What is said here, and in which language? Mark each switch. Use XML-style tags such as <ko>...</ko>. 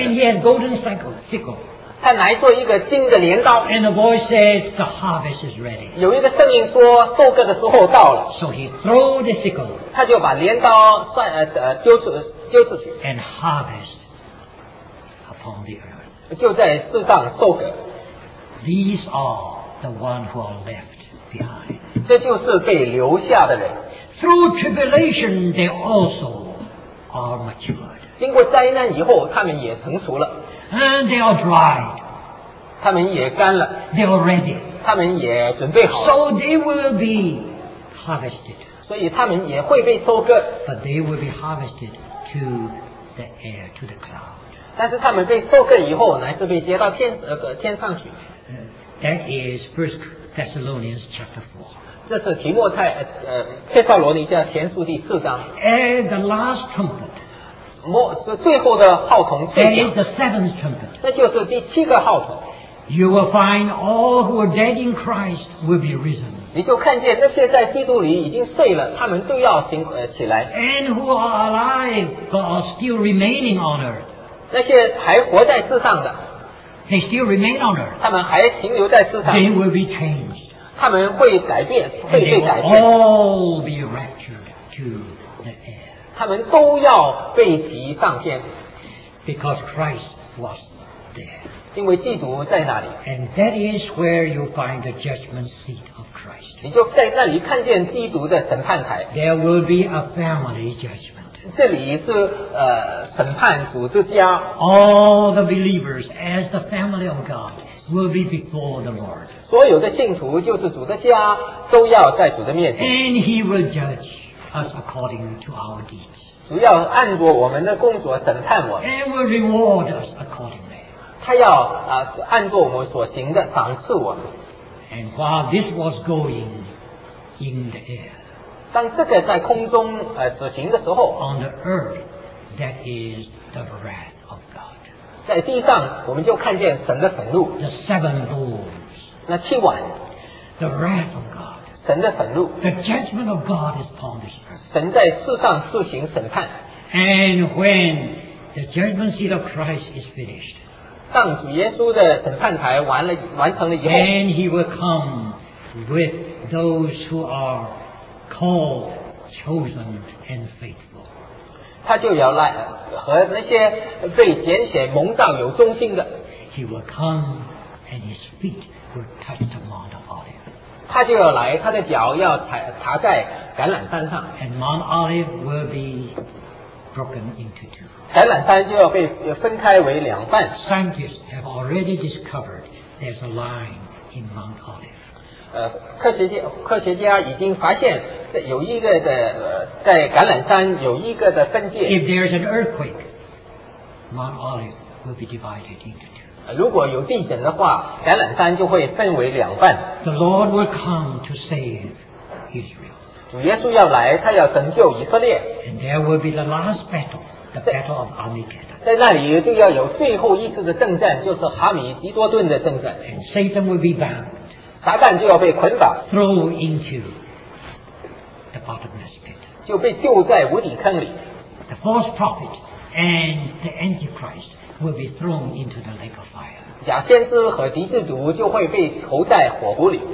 <en>And he had golden sickle</en> <zh>他来做一个金的镰刀</zh> <en>And the voice says the harvest is ready</en> <zh>有一个声音说收割的时候到了</zh> <en>So he threw the sickle</en> <zh>他就把镰刀丢出去</zh> <en>And harvest upon the earth.</en> <zh>就在世上受苦。</zh> <en>These are the ones who are left behind.</en> <zh>这就是被留下的人。</zh> <en>Through tribulation, they also are matured.</en> <zh>经过灾难以后，他们也成熟了。</zh> <en>And they are dry.</en> <zh>他们也干了。</zh> <en>They are ready.</en> <zh>他们也准备好了。</zh> <en>So they will be harvested.</en> <zh>所以他们也会被收割。</zh> <en>But they will be harvested to the air, to the cloud.</en> <zh>但是他们被收割以后，乃是被接到天上去。</zh> <en>That is 1 Thessalonians chapter 4.</en> <zh>这是提摩太帖撒罗尼迦前书第四章。</zh> <en>And the last trumpet，</en> <zh>最后的号筒。</zh> <en>That is the seventh trumpet，</en> <zh>那就是第七个号筒。</zh> <en>You will find all who are dead in Christ will be risen，</en> <zh>你就看见那些在基督里已经睡了，他们都要醒起来。</zh> <en>And who are alive but are still remaining on earth，</en> <zh>那些还活在世上的。</zh> <en>They still remain on earth，</en> <zh>他们还停留在世上。</zh> <en>They will be changed。</en> <zh>他们会改变，会被改变。</zh> <en>They will all be raptured to the air.</en> <zh>他们都要被提上天。</zh> <en>Because Christ was there.</en> <zh>因为基督在那里。</zh> <en>And that is where you find the judgment seat of Christ.</en> <zh>你就在那里看见基督的审判台。</zh> <en>There will be a family judgment.</en> <zh>这里是审判主之家。</zh> <en>All the believers as the family of God will be before the Lord.</en> <zh>所有的信徒就是主的家都要在主的面前。</zh> <en>And he will judge us according to our deeds.</en> <zh>主要按着我们的工作审判我们。</zh> <en>And will reward us accordingly.</en> <zh>他要按着我们所行的赏赐我们。</zh> <en>And while this was going in the air,</en> <zh>当这个在空中执行的时候</zh> <en>on the earth, that is the wrath of God.</en> <zh>在地上我们就看见神的愤怒。</zh> <en>The seven bowls.</en> <zh>那七碗</zh> <en>the wrath of God,</en> <zh>神的愤怒</zh> <en>the judgment of God is upon this earth,</en> <zh>神在世上施行审判</zh> <en>and when the judgment seat of Christ is finished,</en> <zh>当主耶稣的审判台完成了以后</zh> <en>then he will come with those who are called, chosen and faithful,</en> <zh>他就要来和那些被拣选蒙召有忠心的</zh> <en>he will come and his feetWill touch the Mount of Olive.</en> <zh>他就要来，他的脚要踏在橄榄山上。</zh> <en>And Mount Olive will be broken into two.</en> <zh>橄榄山就要被分开为两半。</zh> <en>Scientists have already discovered there's a line in Mount Olive.</en> <zh>科学家已经发现有一个的在橄榄山有一个的分界。</zh> <en>If there's an earthquake, Mount Olive will be divided into two.</en> <zh>如果有地震的话，橄榄山就会分为两半。</zh> <en>The Lord will come to save Israel.</en> <zh>主耶稣要来，他要拯救以色列。</zh> <en>And there will be the last battle, the battle of Armageddon.</en> <zh>在那里就要有最后一次的圣战，就是哈米吉多顿的圣战。</zh> <en>And Satan will be bound.</en> <zh>撒旦就要被捆绑。</zh> <en>Throw into the bottomless pit.</en> <zh>就被丢在无底坑里。</zh> <en>The false prophet and the Antichrist. Will be thrown into the lake of fire.</en> <zh>假先知和敌基督就会被投在火湖里。</zh>